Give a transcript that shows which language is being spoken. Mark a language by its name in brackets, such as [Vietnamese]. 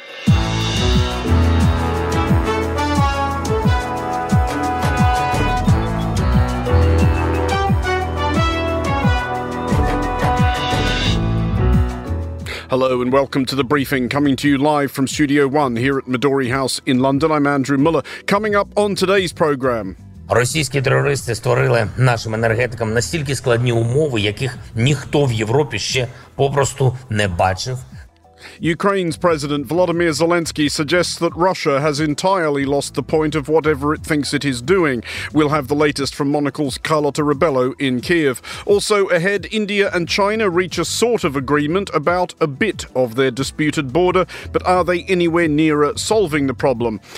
[English] Hello and welcome to The Briefing, coming to you live from Studio One here at Midori House in London. I'm Andrew Muller. Coming up on today's programme... [Ukrainian] Російські терористи створили нашим енергетикам настільки складні умови, яких ніхто в Європі ще попросту не бачив. [English] Ukraine's president Volodymyr Zelensky suggests that Russia has entirely lost the point of whatever it thinks it is doing. We'll have the latest from Monocle's Carlotta Ribello in Kiev. Also ahead, India and China reach a sort of agreement about a bit of their disputed border, but are they anywhere nearer solving the problem?